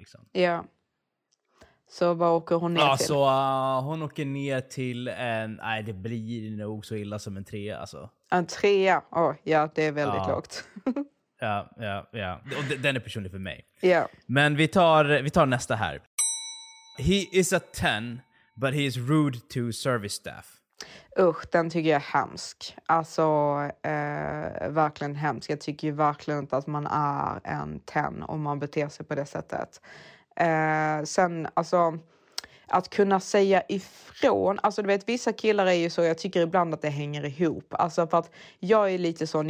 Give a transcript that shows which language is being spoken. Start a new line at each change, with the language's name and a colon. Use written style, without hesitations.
Swedish: Liksom. Ja. Så vad åker hon ner till? Så hon åker ner till en... Nej, det blir nog så illa som en trea. Alltså. En trea? Oh, ja, det är väldigt lågt. Ja, ja, ja. Och den är personlig för mig. Ja. Men vi tar nästa här.
English: He is a 10, but he is rude to service staff.
Swedish: Usch, den tycker jag är hemsk. Alltså, verkligen hemsk. Jag tycker ju verkligen inte att man är en 10 om man beter sig på det sättet. Sen, alltså, att kunna säga ifrån. Alltså, du vet, vissa killar är ju så. Jag tycker ibland att det hänger ihop. Alltså, för att jag är lite sån.